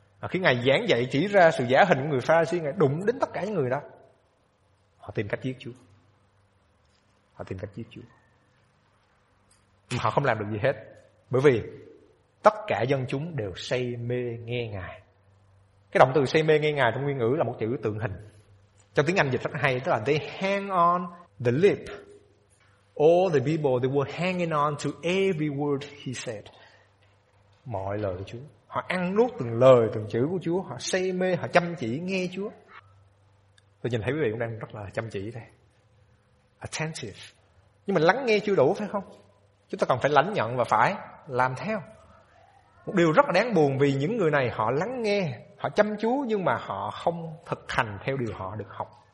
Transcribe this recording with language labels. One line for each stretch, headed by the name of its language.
Vietnamese: Khi Ngài giảng dạy chỉ ra sự giả hình của người Pharisee, Ngài đụng đến tất cả những người đó. Họ tìm cách giết Chúa. Họ tìm cách giết Chúa. Mà họ không làm được gì hết. Bởi vì tất cả dân chúng đều say mê nghe Ngài. Cái động từ say mê nghe Ngài trong nguyên ngữ là một chữ tượng hình. Trong tiếng Anh dịch rất hay, tức là
English: they hang on the lip. All the people, they were hanging on to every word he said.
Vietnamese: Mọi lời của Chúa. Họ ăn nuốt từng lời, từng chữ của Chúa. Họ say mê, họ chăm chỉ nghe Chúa. Tôi nhìn thấy quý vị cũng đang rất là chăm chỉ đây. Attentive. Nhưng mà lắng nghe chưa đủ phải không? Chúng ta còn phải lãnh nhận và phải làm theo. Một điều rất là đáng buồn vì những người này họ lắng nghe, họ chăm chú nhưng mà họ không thực hành theo điều họ được học.